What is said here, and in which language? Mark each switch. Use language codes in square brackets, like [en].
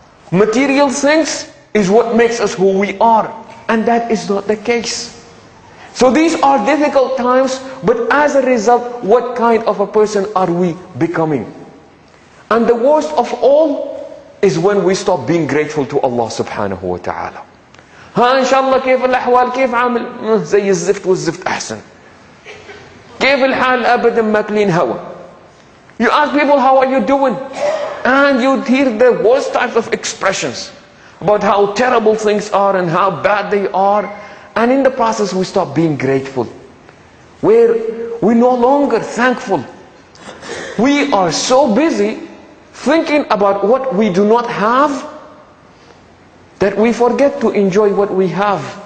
[en] Material things is what makes us who we are, and that is not the case. So these are difficult times, but as a result, what kind of a person are we becoming? And the worst of all is when we stop being grateful to Allah subhanahu wa ta'ala. [ar] Ha inshallah, كيف الأحوال كيف عامل زي الزفت والزفت أحسن كيف الحال أبدا ما كلين هوا. [en] You ask people, how are you doing? And you hear the worst types of expressions about how terrible things are and how bad they are. And in the process, we stop being grateful. Where we no longer thankful. We are so busy thinking about what we do not have that we forget to enjoy what we have.